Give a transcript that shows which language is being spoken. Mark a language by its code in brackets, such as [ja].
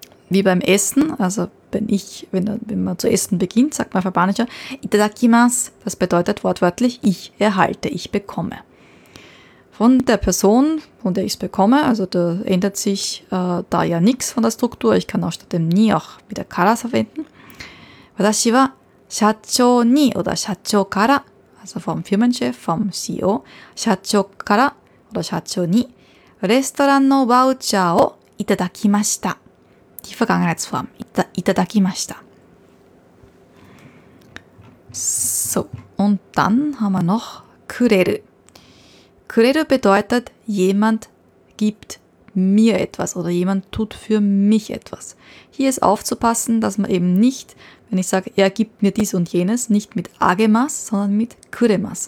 [de] Wie beim Essen, also wenn man zu essen beginnt, sagt man auf Japanisch, Itadakimasu. Das bedeutet wortwörtlich, ich erhalte, ich bekomme. Von der Person, von der ich es bekomme, also da ändert sich da ja nichts von der Struktur. Ich kann auch statt dem nie auch wieder Karas verwenden. [ja] 私は社長に oder 社長から [de] also vom Firmenchef, vom CEO [ja] 社長から oder 社長にレストランのバウチャーをいただきました。 [de] Die Vergangenheitsform いただきました。 So, und dann haben wir noch くれる。くれる bedeutet jemand gibt mir etwas oder jemand tut für mich etwas. Hier ist aufzupassen, dass man eben nicht, wenn ich sage, er gibt mir dies und jenes, nicht mit agemas, sondern mit kuremas.